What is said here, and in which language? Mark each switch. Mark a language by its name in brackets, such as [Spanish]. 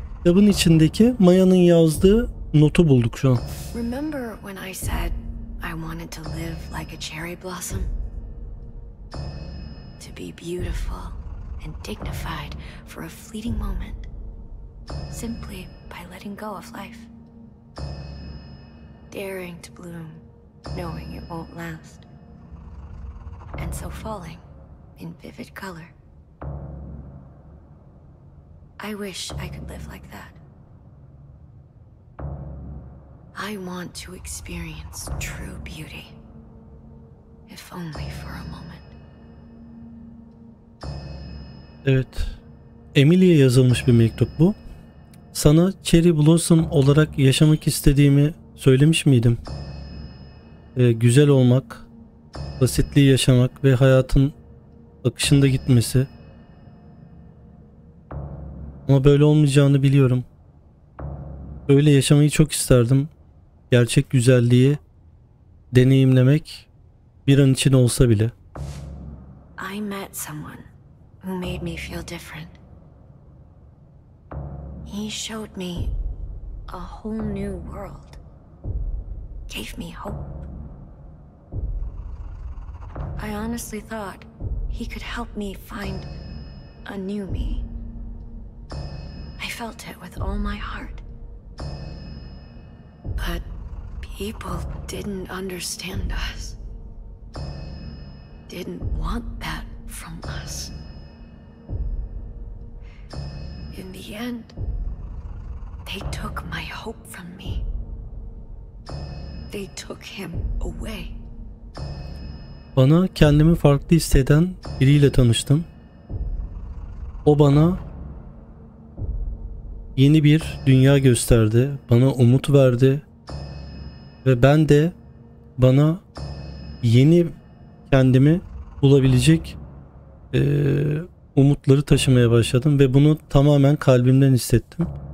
[Turkish] Kitabın içindeki Maya'nın yazdığı notu bulduk şu an. [English] Remember when I said I wanted to live like a cherry blossom? To be beautiful and dignified for a fleeting moment, simply by letting go of life. Daring to bloom, knowing it won't last. And so falling in vivid color. I wish I could live like that. I want to experience true beauty, if only for a moment. [Turkish] Evet, Emily'ye yazılmış bir mektup bu. Sana Cherry Blossom olarak yaşamak istediğimi söylemiş miydim? Güzel olmak, basitliği yaşamak ve hayatın akışında gitmesi. Ama böyle olmayacağını biliyorum. Böyle yaşamayı çok isterdim. Gerçek güzelliği deneyimlemek bir an için olsa bile. [English] I met someone who made me feel different. He showed me a whole new world. Gave me hope. I honestly thought he could help me find a new me. I felt it with all my heart. But people didn't understand us. Didn't want that from us. In the end, they took my hope from me. They took him away. [Turkish] Bana kendimi farklı hisseden biriyle tanıştım. O bana yeni bir dünya gösterdi, bana umut verdi ve ben de bana yeni kendimi bulabilecek umutları taşımaya başladım ve bunu tamamen kalbimden hissettim.